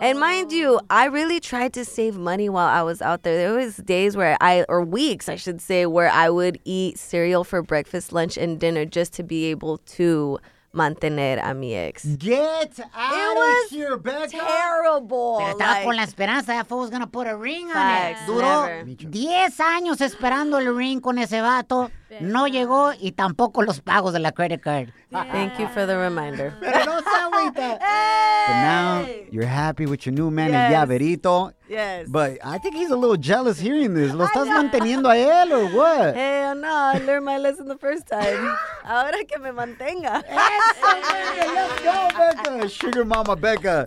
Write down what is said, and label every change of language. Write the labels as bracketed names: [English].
[English] And mind you, I really tried to save money while I was out there. There was days where weeks, where I would eat cereal for breakfast, lunch, and dinner just to be able to [Spanish] mantener a mi ex. [English] Get out of here, Becca. It was terrible. [Spanish] Pero estaba con la esperanza. [English] That fool was going to put a ring on it. [Spanish] Duró 10 años esperando el ring con ese vato. No llegó y tampoco los pagos de la credit card. [English] Yeah. Thank you for the reminder. [Spanish] Pero no se agüita. [English] Hey! But now you're happy with your new man, yes. [Spanish] El Llaverito. [English] Yes. But I think he's a little jealous hearing this. [Spanish] ¿Lo estás manteniendo a él [English] or what? Hey, no, I learned my lesson the first time. [Spanish] Ahora que me mantenga. [English] Let's go, Becca. Sugar Mama Becca.